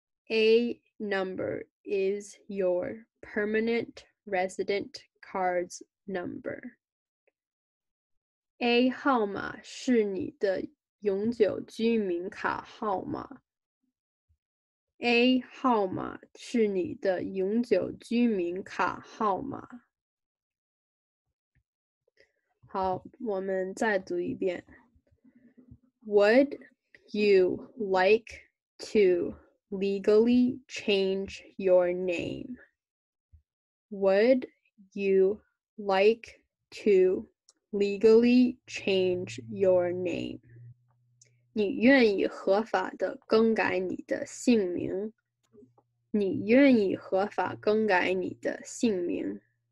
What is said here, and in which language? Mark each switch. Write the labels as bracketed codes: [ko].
[en] A number is your permanent resident card's number. [zh] A 号码是你的永久居民卡号码。 A 号码是你的永久居民卡号码。好，我们再读一遍。 [en] Would you like to legally change your name? Would you like to legally change your name? [zh] 你愿意合法的更改你的姓名。你愿意合法更改你的姓名。